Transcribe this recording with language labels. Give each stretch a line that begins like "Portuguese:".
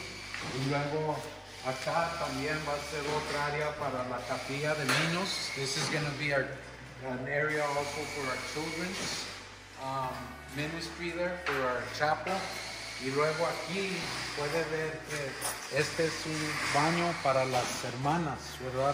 Spanish: Y luego acá también va a ser otra área para la capilla de niños.
English: This is going to be an area also for our children's ministry there, for our chapel.
Spanish: Y luego aquí puede ver que este es un baño para las hermanas, ¿verdad?